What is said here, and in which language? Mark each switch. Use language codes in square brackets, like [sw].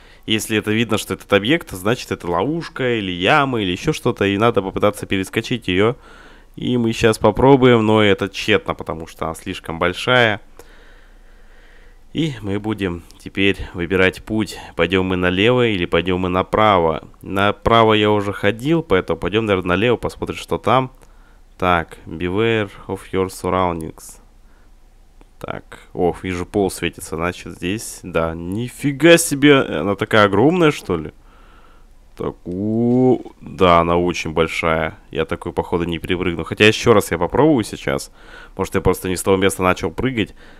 [ru] Если это видно, что этот объект, значит, это ловушка или яма, или еще что-то, и надо попытаться перескочить ее. И мы сейчас попробуем, но это тщетно, потому что она слишком большая. И мы будем теперь выбирать путь. Пойдем мы налево или пойдем мы направо. Направо я уже ходил, поэтому пойдем, наверное, налево, посмотрим, что там. Так, [en] beware of your surroundings. [ru] Так, ох, вижу, пол светится, значит, здесь, да. Нифига себе, она такая огромная, что ли? Так, да, она очень большая. Я такой, походу, не перепрыгну. Хотя еще раз я попробую сейчас. Может, я просто не с того места начал прыгать.